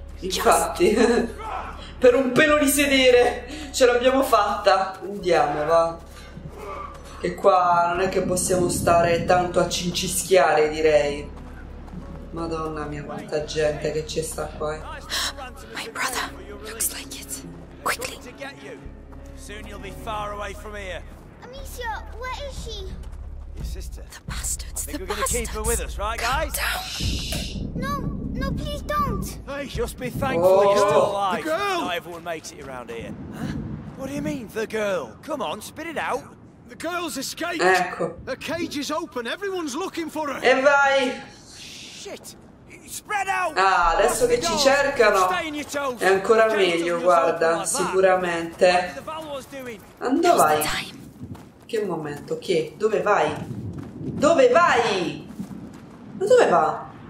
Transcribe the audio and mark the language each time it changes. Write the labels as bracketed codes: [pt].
[it] Infatti, per un pelo di sedere ce l'abbiamo fatta. Andiamo, va. Che qua non è che possiamo stare tanto a cincischiare, direi. Madonna mia, quanta gente che c'è sta qua. [en] My brother looks like it. Quickly. Soon you'll be far away from here. Amicia, where is she? Your sister. The bastards. Think we're gonna keep her with us, right, guys? No. No, please don't! Hey, just be thankful you're still alive. The girl! Not everyone makes it around here. Huh? What do you mean, the girl? Come on, spit it out. The girl's escaped. [it] Ecco. [en] Her cage is open. Everyone's looking for her. [it] E vai! [en] Shit! Spread out! [it] Ah, adesso che ci cercano. È ancora meglio, guarda, sicuramente. Andò vai? Che momento? Che? Dove vai? Dove vai? Ma dove va?